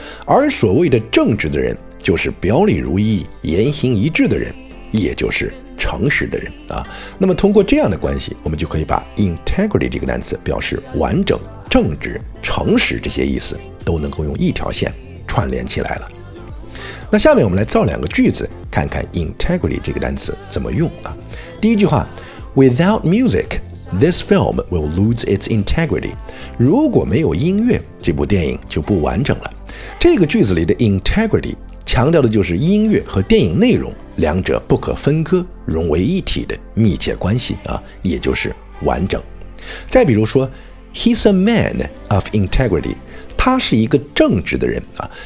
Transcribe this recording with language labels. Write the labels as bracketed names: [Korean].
[Chinese] 而所谓的正直的人，就是表里如一、言行一致的人，也就是诚实的人啊。那么通过这样的关系，我们就可以把 integrity 这个单词表示完整、正直、诚实这些意思都能够用一条线串联起来了。那下面我们来造两个句子，看看 integrity 这个单词怎么用啊。第一句话， [English] Without music, this film will lose its integrity. [Chinese] 如果没有音乐，这部电影就不完整了。这个句子里的 integrity 强调的就是音乐和电影内容两者不可分割、融为一体的密切关系啊，也就是完整。再比如说 [English] He's a man of integrity， [Chinese] 他是一个正直的人啊。